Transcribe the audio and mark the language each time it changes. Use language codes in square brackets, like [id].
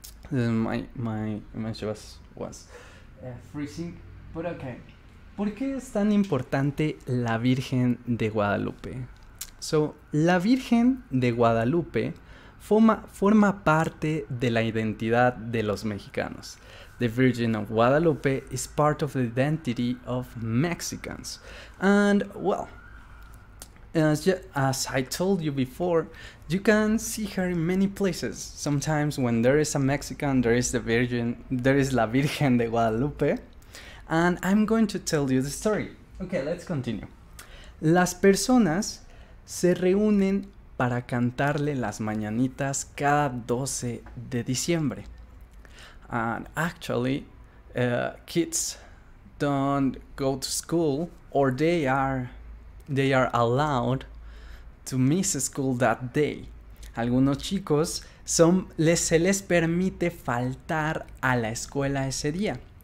[en] My image was freezing, but okay. [es] ¿Por qué es tan importante la Virgen de Guadalupe? So, la Virgen de Guadalupe forma parte de la identidad de los mexicanos. [en] The Virgin of Guadalupe is part of the identity of Mexicans. And, well, as I told you before, you can see her in many places. Sometimes when there is a Mexican, there is the Virgin, there is La Virgen de Guadalupe. And I'm going to tell you the story. Okay, let's continue. [es] Las personas se reúnen para cantarle las mañanitas cada 12 de diciembre. [en] And actually, kids don't go to school or they are allowed to miss school that day. [es] Algunos chicos se les permite faltar a la escuela ese día.